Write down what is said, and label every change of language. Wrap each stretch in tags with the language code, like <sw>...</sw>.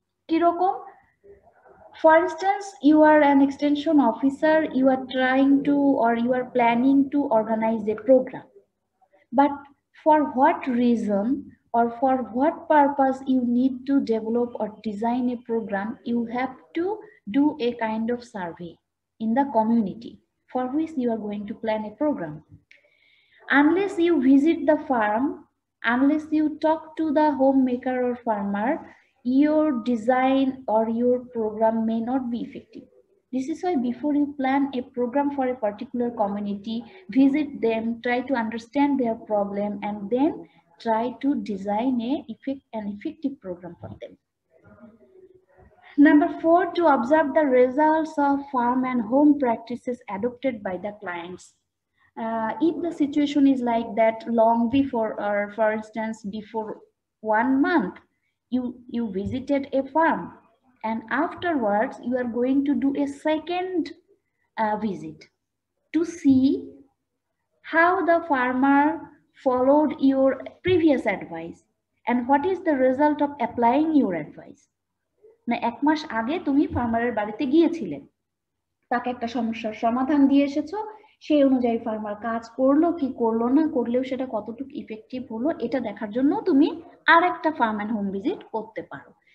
<en>কিরকম, for instance you are an extension officer, you are trying to or you are planning to organise a programme, but for what reason or for what purpose you need to develop or design a programme, you have to do a kind of survey in the community for which you are going to plan a programme. Unless you visit the farm, unless you talk to the home maker or farmer, your design or your program may not be effective. This is why before you plan a program for a particular community, visit them, try to understand their problem, and then try to design an effective program for them. Number 4, to observe the results of farm and home practices adopted by the clients. If the situation is like that long before, or for instance before 1 month, you visited a farm, and afterwards you are going to do a second visit to see how the farmer followed your previous advice and what is the result of applying your advice.</en> <bn>Na ek mash age tumi farmer er barite giyechhile, তাকে একটা সমস্যার সমাধান দিয়ে এসেছো, সেই অনুযায়ী farmer কাজ করলো কি করলো না, করলেও সেটা কতটুকু ইফেক্টিভ হলো, এটা দেখার জন্য তুমি আর একটা ফার্ম অ্যান্ড হোম ভিজিট করতে পারো।</bn>